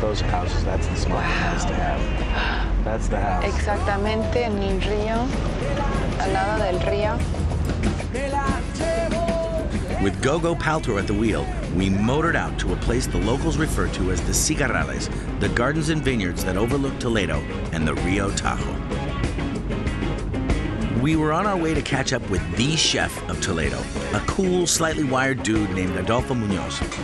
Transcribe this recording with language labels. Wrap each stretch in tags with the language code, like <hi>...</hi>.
<en>Those houses, that's the smart house to have. That's the house.</en> <es>Exactamente en el río, al lado del río.</es> <en>With Gogo Paltrow at the wheel, we motored out to a place the locals refer to as the Cigarrales, the gardens and vineyards that overlook Toledo and the Rio Tajo. We were on our way to catch up with the chef of Toledo, a cool, slightly wired dude named Adolfo Muñoz.</en>